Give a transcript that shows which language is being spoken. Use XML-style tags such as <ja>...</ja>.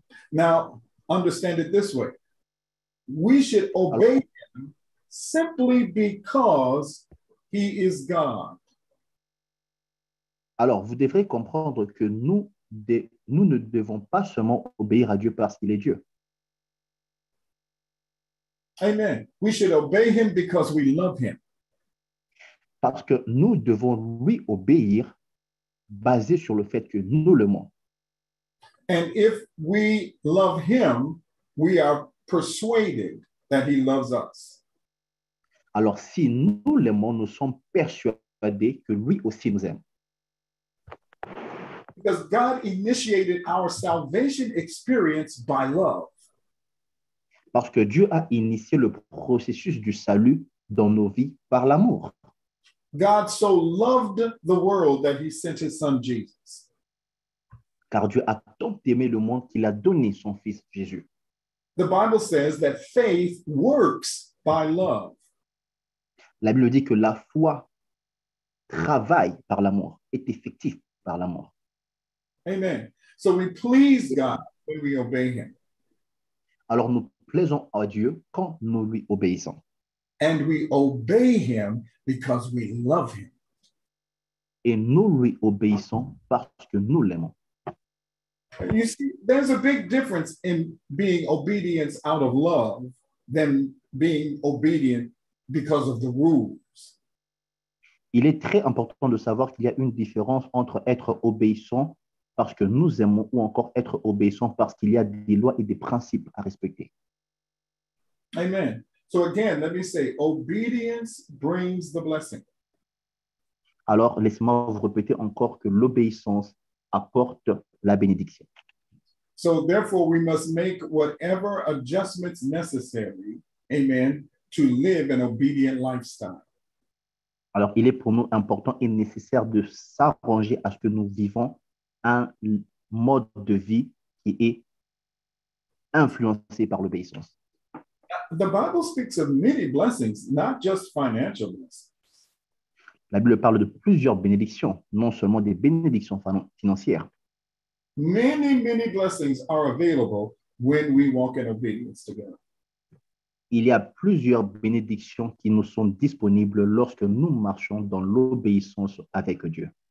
<en>Now, understand it this way. We should obey Him simply because He is God.</en> <fr>Alors, vous devrez comprendre que nous ne devons pas seulement obéir à Dieu parce qu'il est Dieu.</fr> <en>Amen. We should obey Him because we love Him.</en> <fr>Parce que nous devons lui obéir basé sur le fait que nous l'aimons.</fr> <en>And if we love Him, we are persuaded that He loves us.</en> <fr>Alors, si nous l'aimons, nous sommes persuadés que lui aussi nous aime.</fr> <en>Because God initiated our salvation experience by love.</en> <fr>Parce que Dieu a initié le processus du salut dans nos vies par l'amour.</fr> <en>God so loved the world that He sent His Son Jesus.</en> <fr>Car Dieu a tant aimé le monde qu'il a donné son Fils Jésus.</fr> <en>The Bible says that faith works by love.</en> <fr>La Bible dit que la foi travaille par l'amour, est effective par l'amour.</fr> <en>Amen. So we please God when we obey Him.</en> <fr>Alors nous plaisons à Dieu quand nous lui obéissons.</fr> <en>And we obey Him because we love Him.</en> <fr>Et nous lui obéissons parce que nous l'aimons.</fr> <en>You see, there's a big difference in being obedient out of love than being obedient because of the rules.</en> <fr>Il est très important de savoir qu'il y a une différence entre être obéissant parce que nous aimons ou encore être obéissant parce qu'il y a des lois et des principes à respecter.</fr> <en>Amen. So again, let me say, obedience brings the blessing.</en> <fr>Alors, laissez-moi vous répéter encore que l'obéissance apporte la bénédiction.</fr> <en>So therefore, we must make whatever adjustments necessary, amen, to live an obedient lifestyle.</en> <fr>Alors, il est pour nous important et nécessaire de s'arranger à ce que nous vivons un mode de vie qui est influencé par l'obéissance.</fr> <en>The Bible speaks of many blessings, not just financial blessings.</en> <fr>La Bible parle de plusieurs bénédictions, non seulement des bénédictions financières.</fr> <en>Many, many blessings are available when we walk in obedience together.</en> <fr>Il y a plusieurs bénédictions qui nous sont disponibles lorsque nous marchons dans l'obéissance avec Dieu.</fr>